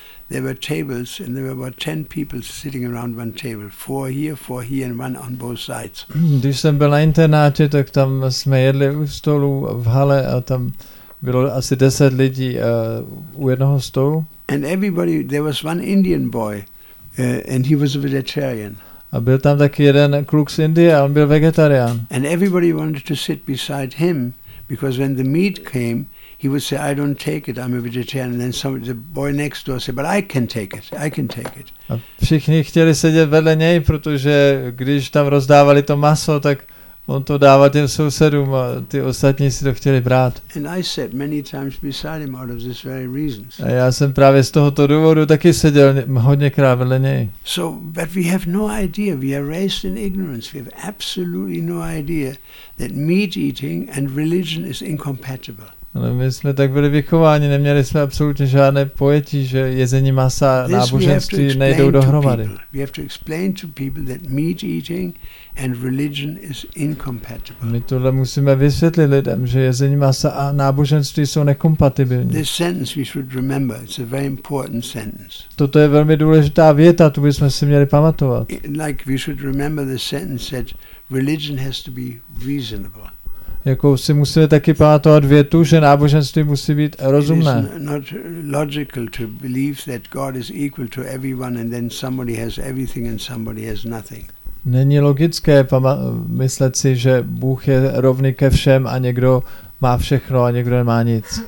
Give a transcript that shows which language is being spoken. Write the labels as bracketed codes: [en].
[en] There were tables and there were about 10 people sitting around one table, four here and one on both sides. [cs] Když jsem byl na internátě, tak tam jsme jedli u stolu v hale a tam bylo asi 10 lidí u jednoho stolu. [en] And everybody, there was one Indian boy, and he was a vegetarian. [cs] A byl tam taky jeden kluk z Indie, a on byl vegetarián. [en] And everybody wanted to sit beside him, because when the meat came, he would say, I don't take it, I'm a vegetarian. And then the boy next door said, but I can take it. [cs] A všichni chtěli sedět vedle něj, protože když tam rozdávali to maso, tak on to dává těm sousedům a ty ostatní si to chtěli brát. [en] And I sat many times beside him out of this very reason. [cs] A já jsem právě z tohoto důvodu taky seděl hodněkrát vedle něj. [en] So, but we have no idea. We are raised in ignorance. We have absolutely no idea that meat eating and religion is incompatible. [cs] Ale my jsme tak byli vychováni, neměli jsme absolutně žádné pojetí, že jezení masa a náboženství nejdou dohromady. [en] We have to explain to people that meat eating and religion is incompatible. [cs] My tohle musíme vysvětlit lidem, že jezení masa a náboženství jsou nekompatibilní. [en] This sentence we should remember. It's a very important sentence. [cs] Toto je velmi důležitá věta, tu bychom si měli pamatovat. [en] Like we should remember the sentence that religion has to be reasonable. [cs] Jako si musíme taky pamatovat větu, že náboženství musí být rozumné. [en] Not logical to believe that God is equal to everyone and then somebody has everything and somebody has nothing. [cs] Není logické myslet si, že Bůh je rovný ke všem a někdo má všechno a někdo nemá nic.